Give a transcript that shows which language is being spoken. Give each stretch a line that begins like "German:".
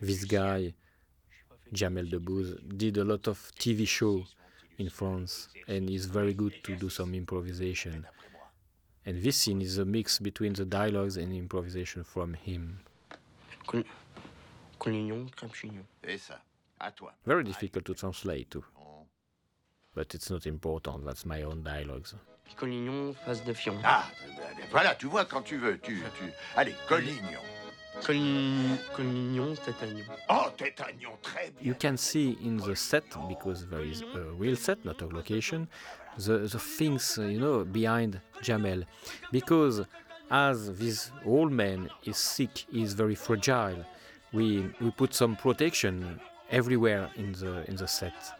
English: This guy, Jamel Debbouze, did a lot of TV shows in France and is very good to do some improvisation. And this scene is a mix between the dialogues and improvisation from him.
French: Collignon, crème chignon. Et ça, à toi.
English: Very difficult to translate too. But it's not important, that's my own dialogues.
French: Collignon, face de fion. Ah, voilà, tu vois, quand tu veux, tu... Allez, Collignon.
English: You can see in the set, because there is a real set, not a location, the things, you know, behind Jamel. Because as this old man is sick, he's very fragile, we put some protection everywhere in the set.